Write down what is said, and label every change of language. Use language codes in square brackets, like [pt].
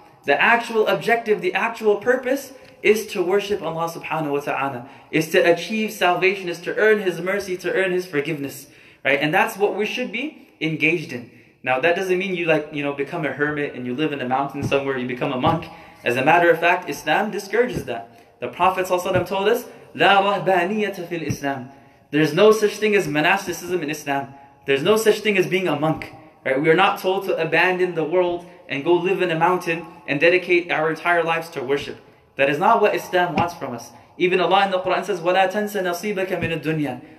[en] The actual objective, the actual purpose is to worship Allah subhanahu wa ta'ala. Is to achieve salvation, is to earn His mercy, to earn His forgiveness. Right? And that's what we should be engaged in. Now that doesn't mean you become a hermit and you live in a mountain somewhere, you become a monk. As a matter of fact, Islam discourages that. The Prophet ﷺ told us, [ar] لَا رَهْبَانِيَّةَ فِي الْإِسْلَامِ. [en] There's no such thing as monasticism in Islam. There's no such thing as being a monk. Right? We are not told to abandon the world and go live in a mountain and dedicate our entire lives to worship. That is not what Islam wants from us. Even Allah in the Quran says, [ar] وَلَا تَنْسَ نَصِيبَكَ مِنَ الدُّنْيَا.